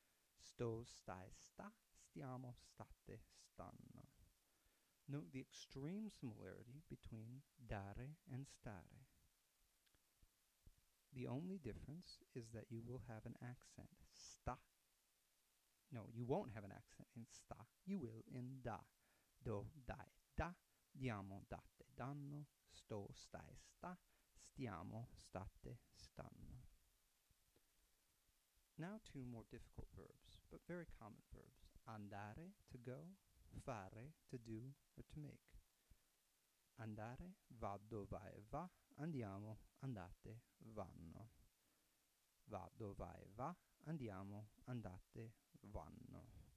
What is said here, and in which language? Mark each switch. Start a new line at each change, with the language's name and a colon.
Italian: Sto, stai, sta, stiamo, state, stanno.
English: Note the extreme similarity between dare and stare. The only difference is that you will have an accent, sta. No, you won't have an accent in sta, you will in da.
Italian: Do, dai, da, diamo, date, danno, sto, stai, sta, stiamo, state, stanno.
English: Now two more difficult verbs, but very common verbs. Andare, to go. Fare, to do or to make.
Italian: Andare, vado, vai, va. Andiamo, andate, vanno. Vado, vai, va. Andiamo, andate, vanno.